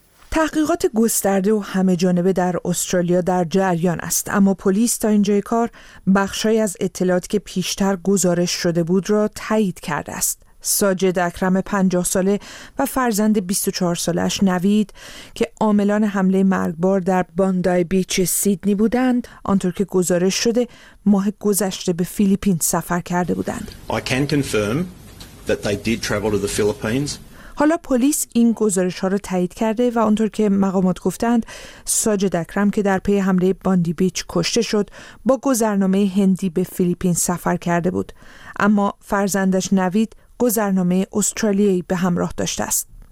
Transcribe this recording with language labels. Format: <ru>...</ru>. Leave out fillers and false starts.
<fa>تحقیقات گسترده و همه جانبه در استرالیا در جریان است، اما پلیس تا اینجای کار بخشی از اطلاعاتی که پیشتر گزارش شده بود را تایید کرده است. ساجد اکرم 50 ساله و فرزند 24 سالش نوید که عاملان حمله مرگبار در باندای بیچ سیدنی بودند، آنطور که گزارش شده ماه گذشته به فیلیپین سفر کرده بودند.</fa> <en>I can confirm that they did travel to the Philippines.</en> <fa>حالا پلیس این گزارش ها را تایید کرده و آنطور که مقامات گفتند، ساجد اکرم که در پی حمله باندی بیچ کشته شد با گذرنامه هندی به فیلیپین سفر کرده بود، اما فرزندش نوید گذرنامه استرالیایی به همراه داشته است.</fa>